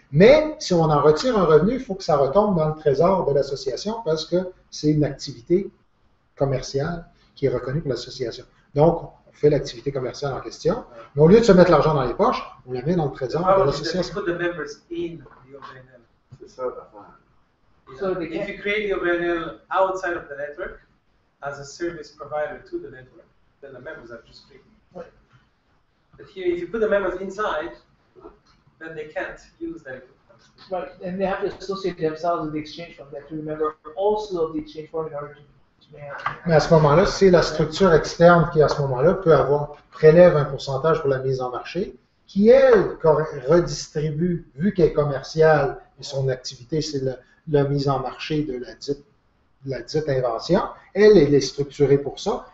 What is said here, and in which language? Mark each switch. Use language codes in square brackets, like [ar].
[fr] Mais si on en retire un revenu, il faut que ça retombe dans le trésor de l'association parce que c'est une activité commerciale qui est reconnue pour l'association. Donc, on fait l'activité commerciale en question. Mais au lieu de se mettre l'argent dans les poches, on la met dans le trésor de l'association. Alors, je vais mettre les membres dans l'OBNL. C'est ça, d'accord. [en] If you create the OBNL outside of the network as a service provider to the network, then the members are just free. But here, if you put the members inside, then they can't use their equipment. Right, and they have to associate themselves with the exchange from that to remember also the exchange from the origin. [fr] Mais à ce moment-là, c'est la structure externe qui, à ce moment-là, peut avoir, prélève un pourcentage pour la mise en marché, qui, elle, redistribue, vu qu'elle est commerciale et son activité, c'est la mise en marché de la dite invention, elle est structurée pour ça.